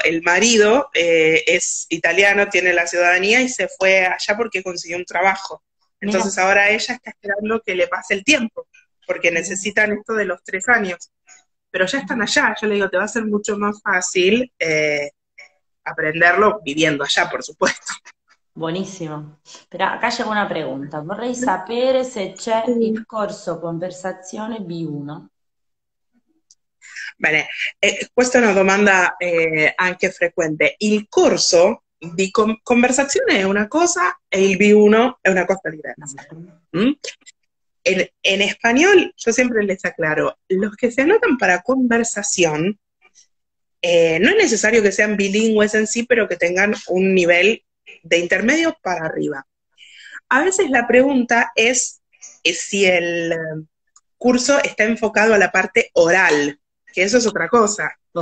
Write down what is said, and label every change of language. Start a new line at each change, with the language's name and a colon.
Spanish: El marido es italiano, tiene la ciudadanía y se fue allá porque consiguió un trabajo. Entonces Mirá. ahora ella está esperando que le pase el tiempo, porque necesitan esto de los 3 años. Pero ya están allá, yo le digo, te va a ser mucho más fácil aprenderlo viviendo allá, por supuesto.
Italian: Buonissimo. Però
Spanish: acá llegó una pregunta.
Italian: Vorrei sapere se c'è il corso conversazione B1. Vale, questa è una domanda anche frequente. Il corso di conversazione è una cosa e il B1 è una cosa diversa.
Spanish: En español, yo siempre les aclaro, los que se anotan para conversación, no es necesario que sean bilingües en sí, pero que tengan un nivel de intermedio para arriba. A veces la pregunta es si el curso está enfocado a la parte oral, que eso es otra cosa, ¿no?